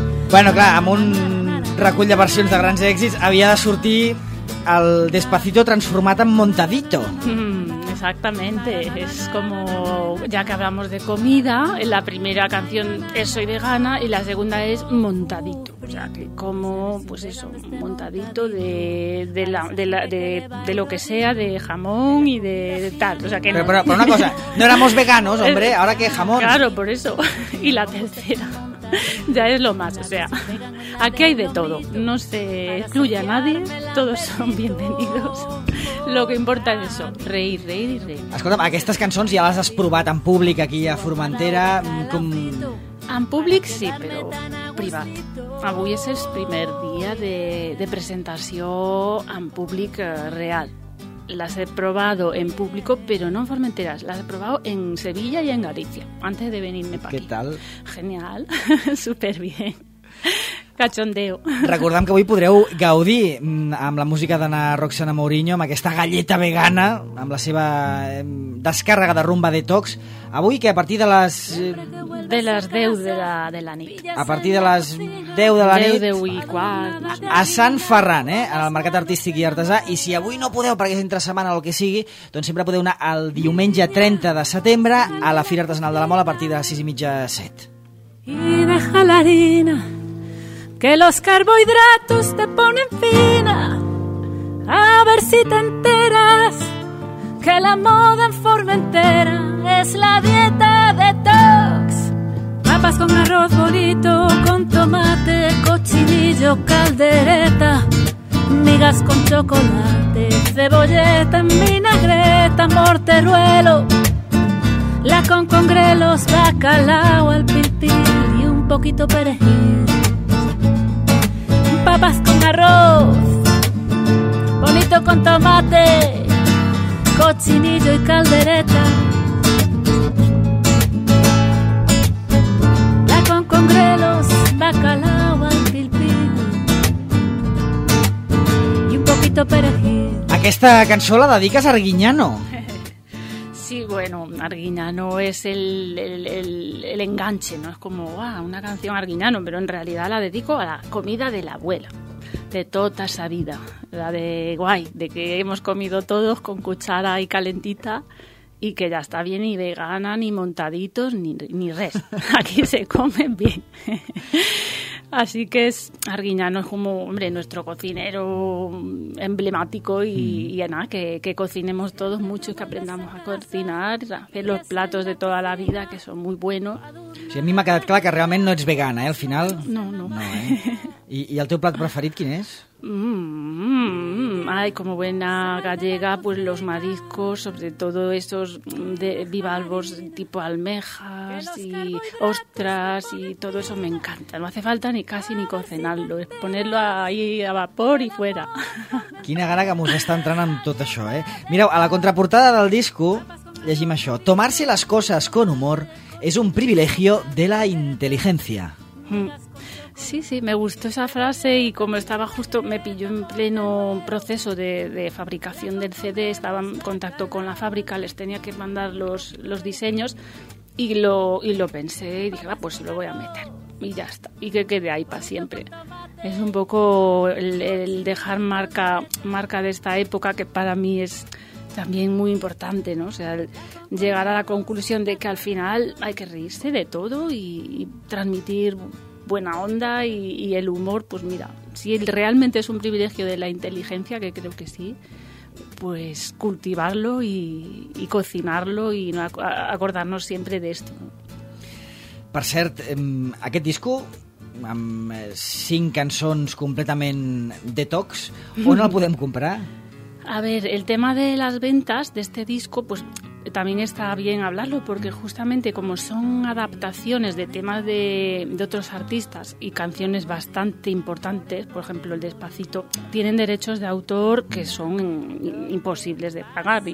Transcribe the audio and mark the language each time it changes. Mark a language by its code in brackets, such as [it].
[ca] Bueno, clar, amb un recull de versions de grans èxits havia de sortir el Despacito transformat en Montadito. [es] Exactamente, es como ya que hablamos de comida, en la primera canción es Soy vegana y la segunda es Montadito. O sea, que como, pues eso, montadito de lo que sea, de jamón y de tal. O sea, que pero una cosa, no éramos veganos, hombre, ahora que jamón. Claro, por eso. Y la tercera. Ya es lo más, o sea, aquí hay de todo, no se excluye a nadie, todos son bienvenidos. Lo que importa es eso, reír, reír y reír. [ca] Escolta'm, aquestes cançons ja les has provat en públic aquí a Formentera, com... En públic sí, però privat. Avui és el primer dia de presentació en públic real. [es] Las he probado en público, pero no en Formentera. Las he probado en Sevilla y en Galicia, antes de venirme para aquí. ¿Qué tal? Genial, súper bien. Cachondeo. [ca] Recordem que avui podreu gaudir amb la música d'Anna Roxana Mourinho, amb aquesta galleta vegana, amb la seva descàrrega de rumba detox. Avui, que a partir de les... De les 10 de la nit. A partir de les 10 de la nit. 10 i quart. A Sant Ferran, en el Mercat Artístic i Artesà. I si avui no podeu, perquè és entre setmana o el que sigui, doncs sempre podeu anar el diumenge 30 de setembre a la Fira Artesanal de la Mola a partir de 6:30-7. [es] I deja la harina, que los carbohidratos te ponen fina, a ver si te enteras que la moda en Formentera es la dieta detox. Papas con arroz bolito, con tomate, cochinillo, caldereta, migas con chocolate, cebolleta en vinagreta, morteruelo, la con grelos, bacalao al pintil y un poquito perejil. Papas con arroz, bonito con tomate, cochinillo y caldereta, la con grelos, bacalao al pilpil y un poquito perejil. [ca] Aquesta cançó la dediques a Arguiñano. [es] Sí, bueno, Arguiñano es el enganche, ¿no? Es como, ¡ah, una canción Arguiñano! Pero en realidad la dedico a la comida de la abuela, de toda esa vida. La de guay, de que hemos comido todos con cuchara y calentita y que ya está bien, ni vegana, ni montaditos, [ca] ni res. [es] Aquí se comen bien. Así que es Arguiñano es como, hombre, nuestro cocinero emblemático y nada, que cocinemos todos mucho y que aprendamos a cocinar, a hacer los platos de toda la vida, que son muy buenos. [ca] Sí, a mi m'ha quedat clar que realment no ets vegana, al final. [es] No. [ca] I el teu plat preferit quin és? [es] Ay, como buena gallega, pues los mariscos, sobre todo esos de bivalvos tipo almejas y ostras y todo eso me encanta. No hace falta ni cocinarlo, es ponerlo ahí a vapor y fuera. [ca] Quina gana que mos està entrant en tot això, eh? Mireu, a la contraportada del disco llegim això. [es] Tomarse las cosas con humor es un privilegio de la inteligencia. Sí, sí, me gustó esa frase y como estaba justo, me pilló en pleno proceso de fabricación del CD, estaba en contacto con la fábrica, les tenía que mandar los diseños y lo pensé y dije, ah, pues lo voy a meter y ya está, y que quede ahí para siempre. Es un poco el dejar marca de esta época, que para mí es también muy importante, ¿no? O sea, llegar a la conclusión de que al final hay que reírse de todo y transmitir buena onda y el humor, pues mira, si realmente es un privilegio de la inteligencia, que creo que sí, pues cultivarlo y cocinarlo y no acordarnos siempre de esto, ¿no? [ca] Per cert, aquest disco, amb 5 cançons completament detox, on el podem comprar? [es] A ver, el tema de las ventas de este disco, pues también está bien hablarlo, porque justamente como son adaptaciones de temas de otros artistas y canciones bastante importantes, por ejemplo, el Despacito, tienen derechos de autor que son imposibles de pagar.